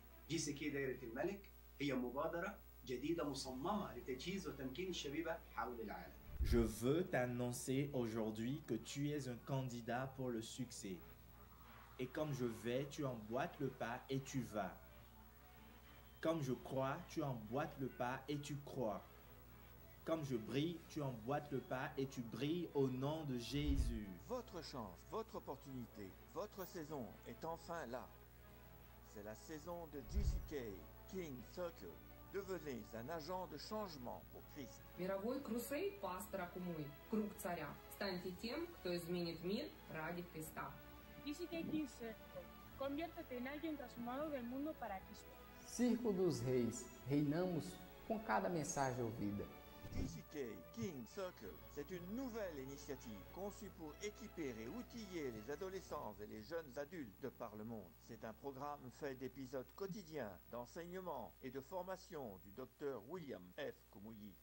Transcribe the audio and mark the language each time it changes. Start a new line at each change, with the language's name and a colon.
Arabic: GCK دائرة الملك هي مبادرة جديدة مصممة لتجهيز وتمكين الشبيبة حول العالم.
French: Je veux t'annoncer aujourd'hui que tu es un candidat pour le succès. Et comme je vais, tu emboîtes le pas et tu vas. Comme je crois, tu emboîtes le pas et tu crois. Comme je brille, tu emboîtes le pas et tu brilles au nom de Jésus. Votre chance, votre opportunité, votre saison est enfin là. C'est la saison de GCK King Circle. Devenez un agent de changement pour Christ.
Russian: Мировой крусейд пастора Кумуи, круг царя. Станьте тем, кто изменит мир ради Христа.
English: GCK King Circle.
Spanish: Conviértete en alguien transformado del mundo para Cristo.
Portuguese: Círculo dos Reis. Reinamos com cada mensagem ouvida.
French: GCK King Circle, c'est une nouvelle initiative conçue pour équiper et outiller les adolescents et les jeunes adultes de par le monde. C'est un programme fait d'épisodes quotidiens d'enseignement et de formation du Dr. William F. Kumuyi.